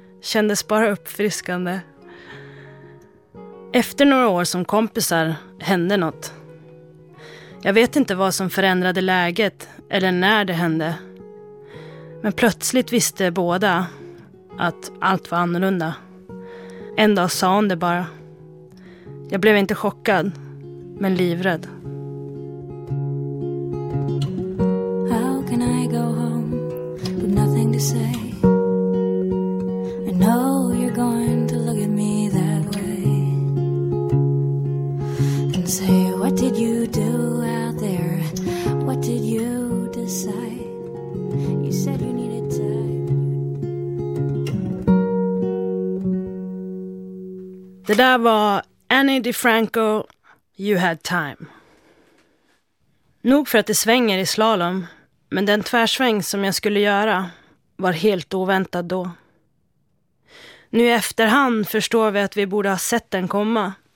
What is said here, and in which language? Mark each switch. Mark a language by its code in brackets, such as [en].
[sv] Kändes bara uppfriskande. Efter några år som kompisar hände något. Jag vet inte vad som förändrade läget eller när det hände. Men plötsligt visste båda att allt var annorlunda. En dag sa hon det bara. Jag blev inte chockad, men livrädd. [en] How can I go home with nothing to say? I know you're going to look at me that way. And say, what did you do out there? What did you decide? You said you needed time. [sv] Det där var Annie DeFranco, You Had Time. Nog för att det svänger i slalom, men den tvärsväng som jag skulle göra var helt oväntad då. Nu i efterhand förstår vi att vi borde ha sett den komma.